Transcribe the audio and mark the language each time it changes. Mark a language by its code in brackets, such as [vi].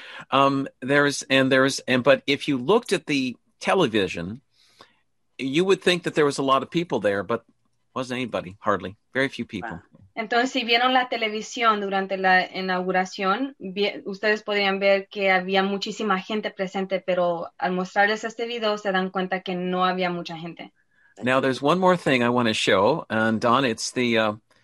[en] But if you looked at the television, you would think that there was a lot of people there, but wasn't anybody, hardly. Very few people. Wow. [es] Entonces, si vieron la televisión durante la inauguración, ustedes podrían ver que había muchísima gente presente, pero al mostrarles este video, se dan cuenta que no había mucha gente. [en] Now, there's one more thing I want to show, and Don, it's interesting.